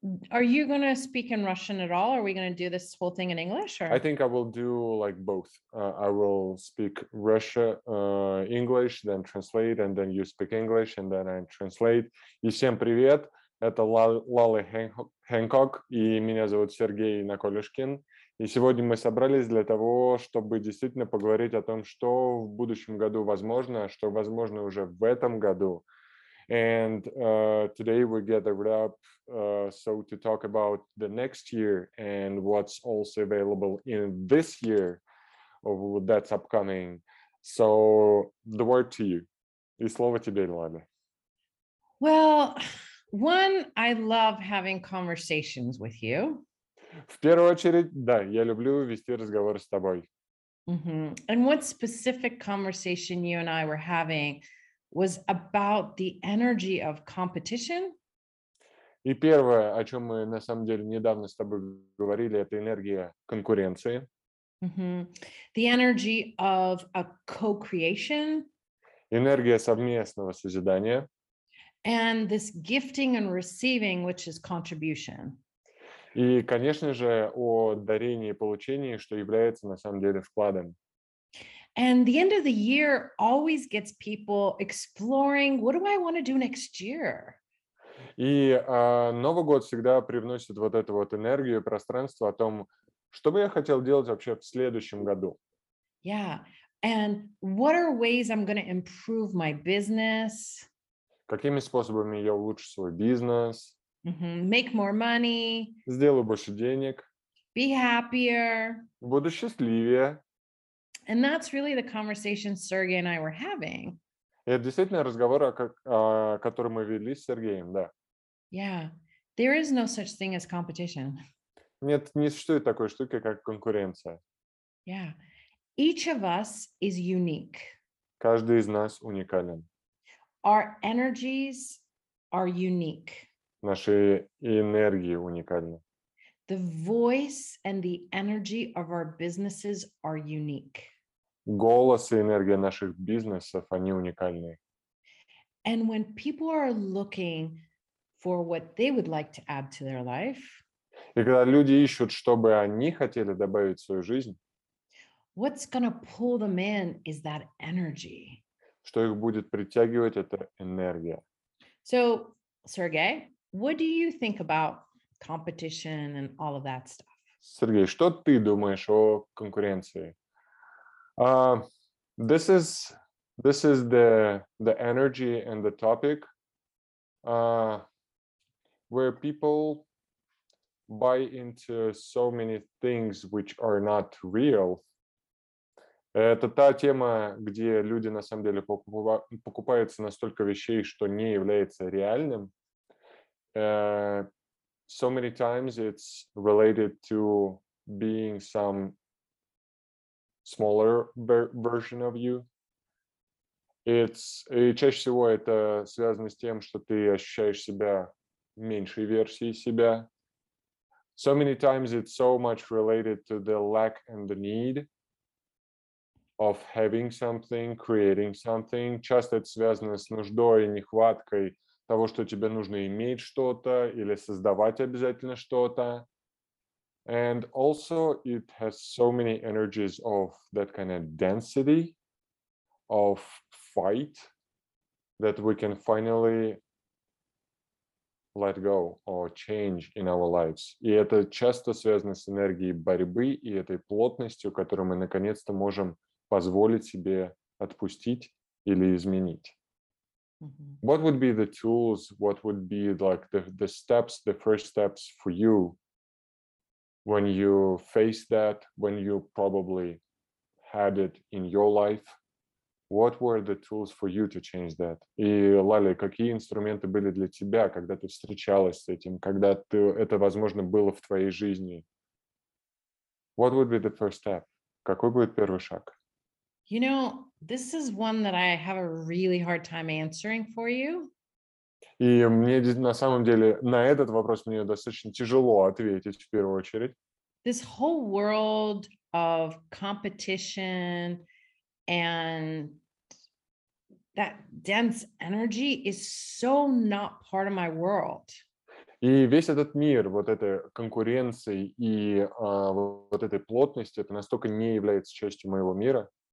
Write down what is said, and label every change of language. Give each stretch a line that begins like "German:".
English: Are you going to speak in Russian at all? Or are we going to do this whole thing in English? Or? I think I will do like both. I will speak Russia, English, then translate, and then you speak English, and then I translate.
Russian: И всем привет! Это Лале Хэнкок, и меня зовут Сергей Наколюшкин. И сегодня мы собрались для того, чтобы действительно поговорить о том, что в будущем году возможно, что возможно уже в этом году.
English: And today we gathered up so to talk about the next year and what's also available in this year of that's upcoming. So the word to you.
Russian: И слово тебе,
English: Лале. Well, one, I love having conversations with you.
Russian: В первую очередь, да, я люблю вести разговор с тобой. Mm-hmm.
English: And what specific conversation you and I were having was about the energy of competition?
Russian: И первое, о чем мы на самом деле недавно с тобой говорили, это энергия конкуренции.
English: Mm-hmm. The energy of a co-creation.
Russian: Энергия совместного созидания.
English: And this gifting and receiving, which is contribution.
Russian: И, конечно же, о дарении и получении, что является на самом деле вкладом.
English: And the end of the year always gets people exploring, what do I want to do next year?
Russian: И Новый год всегда привносит вот эту вот энергию, пространство о том, что бы я хотел делать вообще в следующем году.
English: Yeah, and what are ways I'm going to improve my business?
Russian: Какими способами я улучшу свой бизнес?
English: Mm-hmm. Make more money.
Russian: Сделаю больше денег.
English: Be happier.
Russian: Буду счастливее.
English: And that's really the conversation Sergey and I were having.
Russian: Это действительно разговор, который мы вели с Сергеем, да.
English: Yeah. There is no such thing as competition.
Russian: Нет, не существует такой штуки, как конкуренция.
English: Yeah. Each of us is unique.
Russian: Каждый из нас уникален.
English: Our energies are unique.
Russian: Наши энергии уникальны.
English: The voice and the energy of our businesses are unique.
Russian: Голос и энергия наших бизнесов, они уникальны.
English: And when people are looking for what they would like to add to their life,
Russian: и когда люди ищут, чтобы они хотели добавить в свою жизнь,
English: what's going to pull them in is that energy.
Russian: Что их будет притягивать, это энергия.
English: So, Sergey, what do you think about competition and all of that stuff?
Russian: Сергей, что ты думаешь о конкуренции?
English: This is the energy and the topic where people buy into so many things which are not real.
Russian: Это та тема, где люди на самом деле покупаются настолько вещей, что не является реальным.
English: So many times it's related to being some smaller version of you.
Russian: И чаще всего это связано с тем, что ты ощущаешь себя меньшей версией себя.
English: So many times it's so much related to the lack and the need of having something, creating something.
Russian: Часто это связано с нуждой и нехваткой того, что тебе нужно иметь что-то или создавать обязательно что-то.
English: And also it has so many energies of that kind of density, of fight, that we can finally let go or change in our lives.
Russian: И это часто связано с энергией борьбы и этой плотностью, которую мы наконец-то можем позволить себе отпустить или изменить. Mm-hmm.
English: What would be the tools, what would be like the steps, the first steps for you when you face that, when you probably had it in your life? What were the tools for you to change that?
Russian: И, Лаля, какие инструменты были для тебя, когда ты встречалась с этим, когда ты, это, возможно, было в твоей жизни?
English: What would be the first step?
Russian: Какой будет первый шаг?
English: You know, this is one that I have a really hard time answering for you.
Russian: И мне на самом деле на этот вопрос мне достаточно тяжело ответить в первую очередь.
English: This whole world of competition and that dense energy is so not part of my world.
Russian: И весь этот мир вот этой конкуренции и вот этой плотности, это настолько не является частью моего мира.